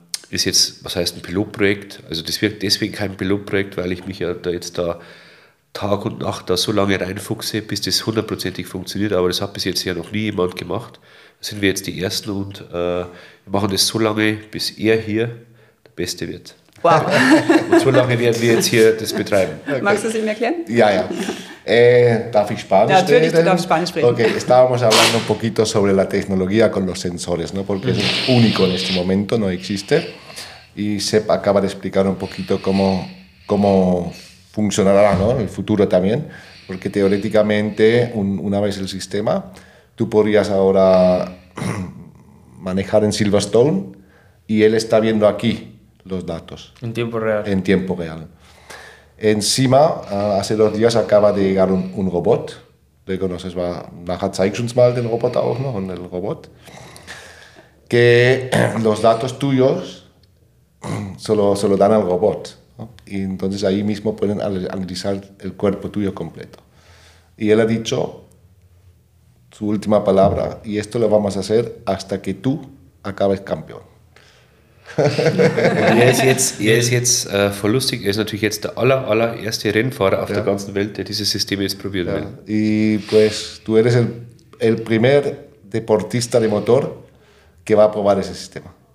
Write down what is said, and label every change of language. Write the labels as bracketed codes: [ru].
[de] Ist jetzt, was heißt ein Pilotprojekt? Also das wirkt deswegen kein Pilotprojekt, weil ich mich ja da jetzt da Tag und Nacht da so lange reinfuchse, bis das hundertprozentig funktioniert, aber das hat bis jetzt ja noch nie jemand gemacht. Da sind wir jetzt die Ersten und wir machen das so lange, bis er hier der Beste wird. Wow. Und so lange werden wir jetzt hier das betreiben. Okay. Magst du es ihm erklären? Ja, ja. Darf ich Spanisch sprechen? Natürlich, reden? Du darfst Spanisch sprechen. [es] Okay, estábamos hablando un poquito sobre la tecnología con los sensores, ¿no? Porque es único en este momento, no existe. Y Sepp acaba de explicar un poquito cómo funcionará, ¿no? En el futuro también. Porque teóricamente, una vez el sistema, tú podrías ahora manejar en Silverstone y él está viendo aquí los datos. En tiempo real. En tiempo real. Encima, hace dos días acaba de llegar un robot. Luego, no sé, [de] es nachher zeigst du uns mal den Roboter auch noch, und [es] el robot. Que los datos tuyos solo dan al robot. ¿No? Y entonces ahí mismo pueden analizar el cuerpo tuyo completo. Y él ha dicho su última palabra, y esto lo vamos a hacer hasta que tú acabes campeón. [de] Er ist jetzt voll lustig, er ist natürlich jetzt der allererste Rennfahrer auf der ganzen Welt, der dieses System jetzt probieren will. [es] Y pues tú eres el primer deportista de motor que va a probar ese sistema.